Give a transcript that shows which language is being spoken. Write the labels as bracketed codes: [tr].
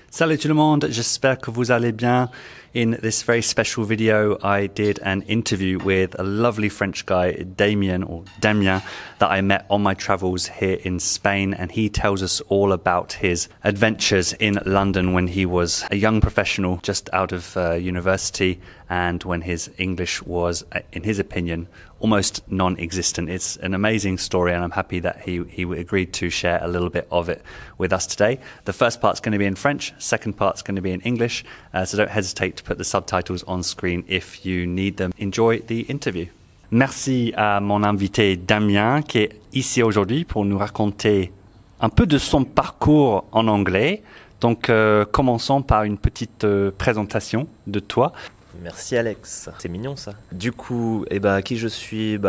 [fr] Salut tout le monde, j'espère que vous allez bien. [en] In this very special video, I did an interview with a lovely French guy, Damien, that I met on my travels here in Spain. And he tells us all about his adventures in London when he was a young professional just out of university and when his English was, in his opinion, almost non-existent. It's an amazing story, and I'm happy that he agreed to share a little bit of it with us today. The first part's going to be in French, second part's going to be in English, so don't hesitate to put the subtitles on screen if you need them. Enjoy the interview. [fr] Merci à mon invité Damien, qui est ici aujourd'hui pour nous raconter un peu de son parcours en anglais. Donc, commençons par une petite présentation de toi. Merci Alex, c'est mignon ça. Du coup, qui je suis?